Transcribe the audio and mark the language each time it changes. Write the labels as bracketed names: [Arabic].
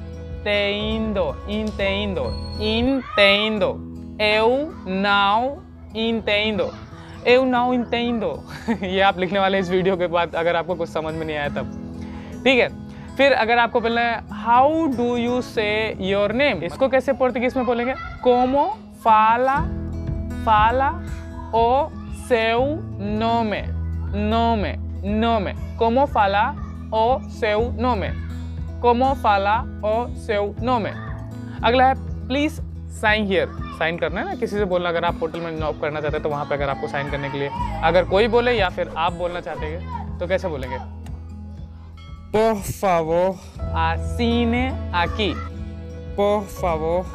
[Portuguese] entendo, entendo, entendo. Eu não entendo. [Hindi] ये आप लिखने वाले इस वीडियो के बाद अगर आपको कुछ समझ में नहीं आया तब, ठीक है? फिर अगर आपको बोलना है [English] how do you say your name, [Hindi] इसको कैसे पुर्तगीज में बोलेंगे? [Portuguese] Como fala, fala o seu nome, nome, nome. Como fala o seu nome, como fala o seu nome. [Hindi] अगला है [English] please sign here, [Hindi] साइन करना है ना किसी से बोलना, अगर आप होटल में जॉब करना चाहते हैं तो वहाँ पे अगर आपको साइन करने के लिए अगर कोई बोले या फिर आप बोलना चाहते हैं तो कैसे बोलेंगे? [Portuguese] Por favor, assine aqui. Por favor,